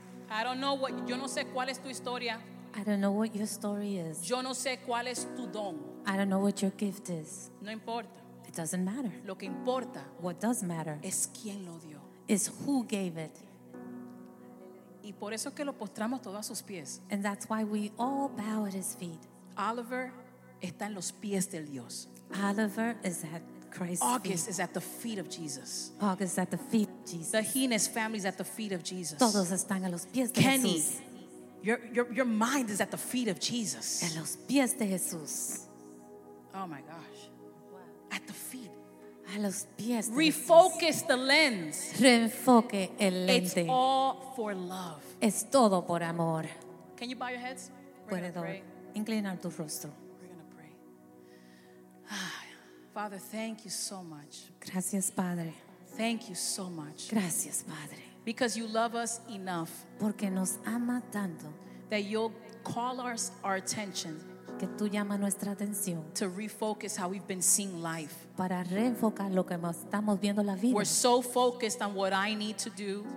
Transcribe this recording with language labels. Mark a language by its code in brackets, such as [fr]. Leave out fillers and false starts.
[en] I don't know what, [es] yo no sé cuál es tu historia. [en] I don't know what your story is. [es] Yo no sé cuál es tu don. [en] I don't know what your gift is. [es] No importa. [en] It doesn't matter. [es] Lo que importa, [en] what does matter, [es] es quién lo dio. [en] Is who gave it. [es] Y por eso que lo postramos todo a sus pies. [en] And that's why we all bow at his feet. [es] Oliver está en los pies del Dios. [en] Oliver is at Christ's August feet. Is at the feet of Jesus. August at the feet of Jesus. The Hines family is at the feet of Jesus. [es] Todos están a los pies de [en] Kenny, Jesus. Your mind is at the feet of Jesus. [es] En los pies de Jesús. [en] Oh my gosh. At the feet. [es] A los pies de [en] Refocus [es] Jesús. [en] The lens. [es] Reenfoque el lente. [en] It's all for love. [es] Es todo por amor. [en] Can you bow your heads? We're going to pray. [es] Inclinar tu rostro. [en] We're going to pray. Father, thank you so much. [es] Gracias, Padre. [en] Thank you so much. [es] Gracias, Padre. [en] Because you love us enough. [es] Porque nos ama tanto. [en] That you'll call our attention. [es] Que tú llama nuestra atención. [en] To refocus how we've been seeing life. [es] Para reenfocar lo que estamos viendo la vida. [en] We're so focused on what I need to do.